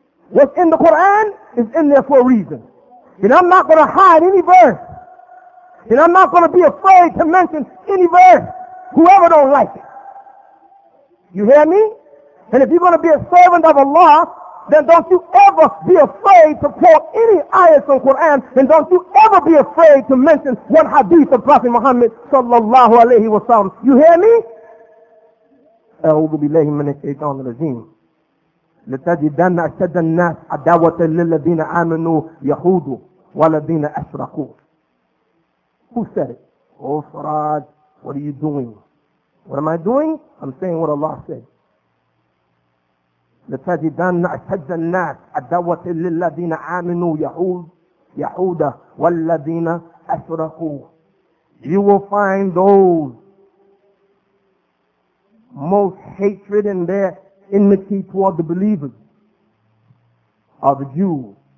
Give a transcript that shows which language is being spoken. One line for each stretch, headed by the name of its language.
English: What's in the Quran is in there for a reason. And I'm not going to hide any verse. And I'm not going to be afraid to mention any verse, whoever don't like it. You hear me? And if you're going to be a servant of Allah, then don't you ever be afraid to quote any ayahs from Quran, and don't you ever be afraid to mention one hadith of Prophet Muhammad sallallahu alayhi wa sallam. You hear me?
Arabic: أعوذ بالله من الشيطان الرجيم لتجدن أشد الناس عداوة للذين آمنوا يهود والذين أشركوا
English: Who said it? Oh Faraj, what are you doing? What am I doing? I'm saying what Allah said.
Arabic: لتجدن أشد الناس عداوة للذين آمنوا يهود والذين أشركوا
English: You will find those most hatred in their enmity toward the believers are the Jews.